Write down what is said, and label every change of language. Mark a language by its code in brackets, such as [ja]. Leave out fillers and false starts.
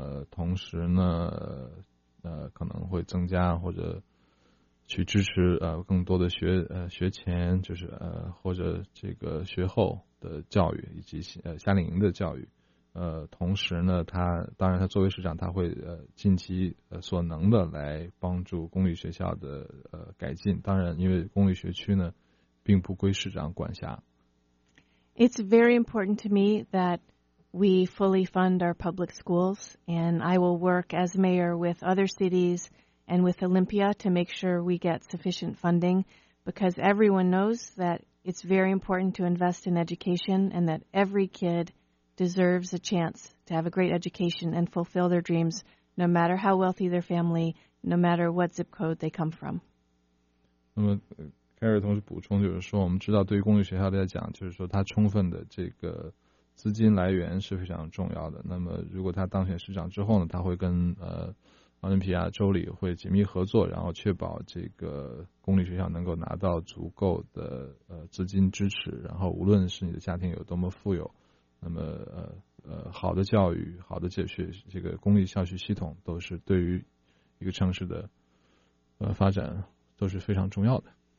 [zh] 同时呢可能会增加或者去支持更多的学前，就是或者这个学后的教育以及夏令营的教育，同时呢他当然他作为市长他会尽其所能的来帮助公立学校的改进，当然因为公立学区呢并不归市长管辖。 [en] It's very important to me that we fully fund our public schools, and I will work as mayor with other cities and with Olympia to make sure we get sufficient funding, because everyone knows that it's very important to invest in education and that every kid deserves a chance to have a great education and fulfill their dreams, no matter how wealthy their family, no matter what zip code they come from. [zh] 凯尔同时补充，就是说我们知道对于公立学校来讲，就是说它充分的这个资金来源是非常重要的，那么如果他当选市长之后呢，他会跟奥林匹亚州里会紧密合作，然后确保这个公立学校能够拿到足够的资金支持，然后无论是你的家庭有多么富有，那么好的教育，好的这个公立校区系统都是对于一个城市的发展都是非常重要的。